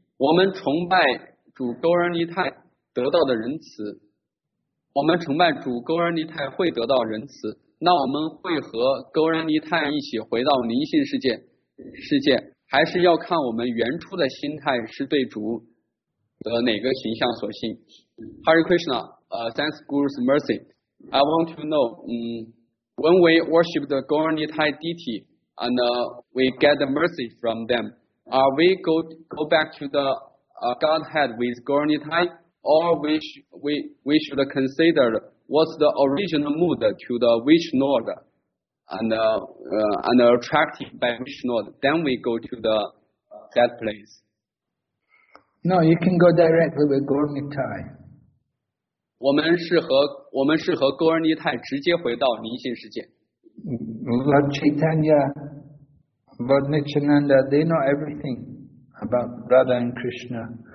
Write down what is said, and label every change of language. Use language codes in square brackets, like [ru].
[zh] 我们崇拜主勾人尼泰得到的仁慈，我们崇拜主勾人尼泰会得到仁慈，那我们会和勾人尼泰一起回到灵性世界，还是要看我们原初的心态是对主的哪个形象所信。 [en] Hare Krishna, thanks Guru's mercy. I want to know, when we worship the Gaur Nitai deity and we get the mercy from them, are we go back to the Godhead with Gaur Nitai, or we should consider what's the original mood to the witch lord and attracted by witch lord, then we go to the that place? No, you can go directly with Gaur Nitai. [zh] 我们是和勾人尼泰直接回到灵性世界。 [en] Lord Chaitanya, Lord Nityananda, they know everything about Radha and Krishna.